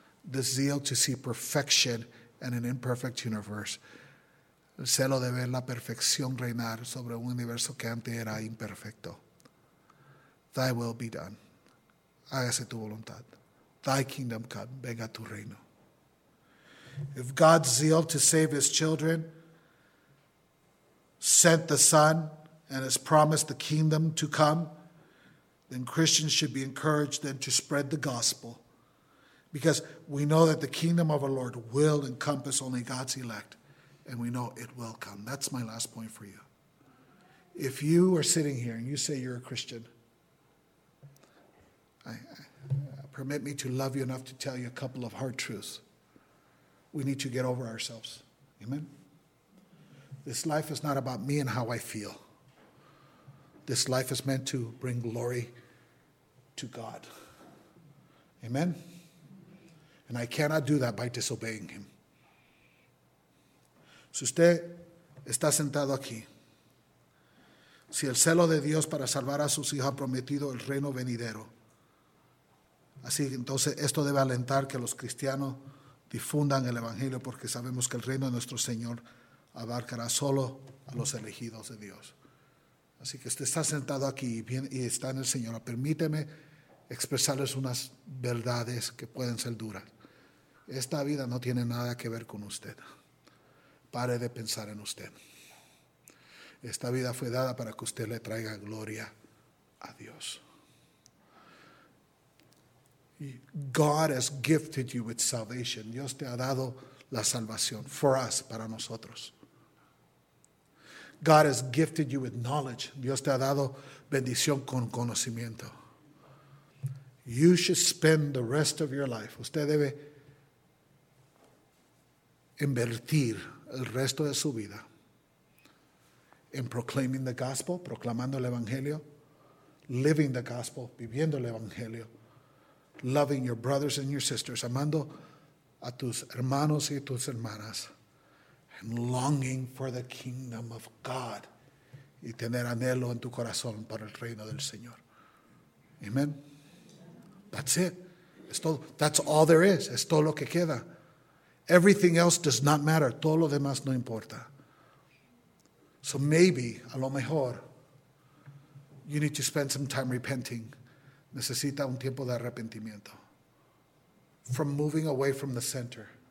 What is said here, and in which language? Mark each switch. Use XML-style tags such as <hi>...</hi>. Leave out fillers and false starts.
<en>The zeal to see perfection in an imperfect universe.</en> <es>El celo de ver la perfección reinar sobre un universo que antes era imperfecto.</es> <en>Thy will be done.</en> <es>Hágase tu voluntad.</es> <en>Thy kingdom come.</en> <es>Venga tu reino.</es> <en>If God's zeal to save his children sent the Son and has promised the kingdom to come, then Christians should be encouraged then to spread the gospel, because we know that the kingdom of our Lord will encompass only God's elect, and we know it will come. That's my last point for you. If you are sitting here and you say you're a Christian, permit me to love you enough to tell you a couple of hard truths. We need to get over ourselves. Amen? This life is not about me and how I feel. This life is meant to bring glory to God. Amen? And I cannot do that by disobeying him.</en> <es>Si usted está sentado aquí, si el celo de Dios para salvar a sus hijos ha prometido el reino venidero, así que entonces esto debe alentar que los cristianos difundan el evangelio, porque sabemos que el reino de nuestro Señor abarcará solo a los elegidos de Dios. Así que usted está sentado aquí y está en el Señor. Permíteme expresarles unas verdades que pueden ser duras. Esta vida no tiene nada que ver con usted. Pare de pensar en usted. Esta vida fue dada para que usted le traiga gloria a Dios.</es> <en>God has gifted you with salvation.</en> <es>Dios te ha dado la salvación.</es> <en>For us,</en> <es>para nosotros.</es> <en>God has gifted you with knowledge.</en> <es>Dios te ha dado bendición con conocimiento.</es> <en>You should spend the rest of your life.</en> <es>Usted debe invertir el resto de su vida</es> <en>in proclaiming the gospel,</en> <es>proclamando el evangelio,</es> <en>living the gospel,</en> <es>viviendo el evangelio,</es> <en>loving your brothers and your sisters,</en> <es>amando a tus hermanos y tus hermanas,</es> <en>and longing for the kingdom of God,</en> <es>y tener anhelo en tu corazón para el reino del Señor. Amen.</es> <en>That's it. That's all there is.</en> <es>Es todo lo que queda.</es> <en>Everything else does not matter.</en> <es>Todo lo demás no importa.</es> <en>So maybe,</en> <es>a lo mejor,</es> <en>you need to spend some time repenting.</en> <es>Necesita un tiempo de arrepentimiento.</es> <en>From moving away from the center.</en>